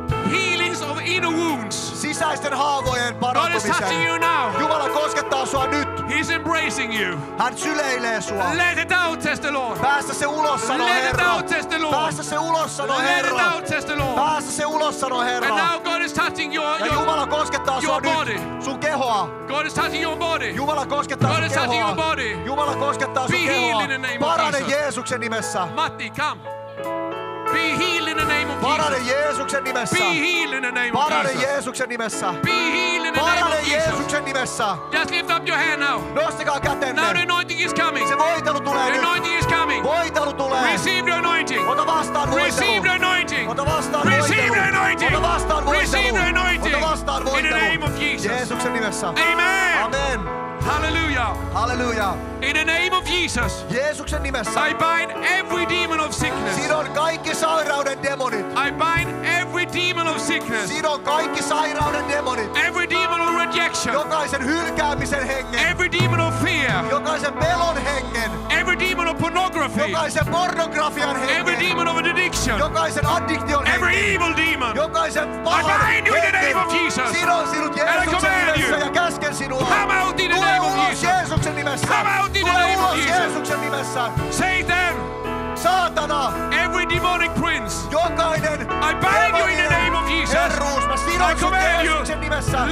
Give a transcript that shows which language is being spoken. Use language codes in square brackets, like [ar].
[en] Healings of inner wounds. [fi] Sisäisten haavojen parantumisen. [en] God is touching you now. [fi] Jumala koskettaa sua nyt. [en] He's embracing you. [fi] Hän syleilee sua. [en] Let it out, says the Lord. [fi] Päästä se ulos, sano [en] Let [fi] Herra. [en] It out, says the Lord. [fi] Päästä se ulos, sano Herra. [en] Let it out, says the Lord. [fi] Päästä se ulos, sano Herra. [en] And now God is touching your [fi] Jumala koskettaa [en] your [fi] sua [en] body. [fi] Nyt sun kehoa. [en] God is touching your body. [fi] Jumala koskettaa [en] God [fi] sun kehoa. [en] God is touching your body. [fi] Jumala koskettaa [en] Be [fi] sun kehoa. [en] Be healed in the name [fi] Parane [en] of Jesus. [fi] Parane Jeesuksen nimessä. [en] Matti, come. Be healed in the name of [fi] Parane [en] Jesus. [fi] Jeesuksen nimessä. [en] Be healed in the name of [fi] Parane [en] Jesus. [fi] Jeesuksen nimessä. [en] Be healed in the [fi] Parane [en] name of Jesus. [fi] Jeesuksen nimessä. [en] Just lift up your hand now. [fi] Nostakaa kätenne. [en] Now the anointing is coming. [fi] Se voitelu tulee [en] the [fi] nyt. [en] Anointing is coming. [fi] Voitelu tulee. [en] Receive the anointing. [fi] Ota vastaan voitelu. [en] Receive the anointing. [fi] Ota vastaan [en] Receive [fi] voitelu. [en] The anointing. [fi] Ota vastaan voitelu. [en] Receive the anointing. [fi] Ota vastaan voitelu. [en] In the name of Jesus. [fi] Jeesuksen nimessä. [en] Amen. [fi] Amen. [en] Hallelujah. [fi] Hallelujah. [en] In the name of Jesus. [fi] Jeesuksen nimessä. [en] I bind every demon of sickness. [fi] Sidon kaikki sairauden demonit. [en] I bind every demon of sickness. [fi] Sidon kaikki sairauden demonit. [en] Every demon of rejection. [fi] Jokaisen hylkäämisen hengen. [en] Every demon of fear. [fi] Jokaisen pelon hengen. [en] Every demon of pornography. [fi] Jokaisen pornografian hengen. [en] Every demon of addiction. [fi] Jokaisen addiction. [en] Every evil demon. [fi] Jokaisen pahan hengen. [en] I bind you in the name of Jesus. [fi] Sidon sinut Jeesuksen nimessä ja käsken sinua. [en] Come out in the name of Jesus. [fi] Jeesuksen nimessä. [en] Come out in the [fi] Tule [en] name [fi] ulos [en] of Jesus. [fi] Jeesuksen nimessä. [en] Satan. [fi] Saatana. [en] Every demonic prince. [fi] Jokainen. [en] I bind you in the name of Jesus. [fi] Herruus, mä sidon sut Jeesuksen nimessä.